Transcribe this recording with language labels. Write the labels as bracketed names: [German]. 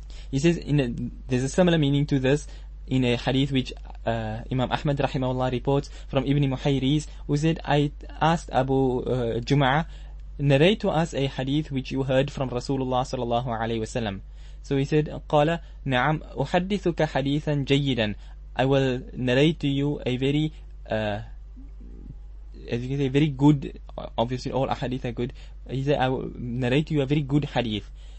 [English] He says, there's a similar meaning to this in a hadith which Imam Ahmad rahimahullah reports from Ibn Muhayriz, who said, I asked Abu Jum'ah, narrate to us a hadith which you heard from Rasulullah sallallahu alayhi wasallam. So he said, [Arabic] قال نعم أحدثك حديثا جيدا. [English] I will narrate to you a very as you can say, very good, obviously all ahadith are good. He said, I will narrate to you a very good hadith.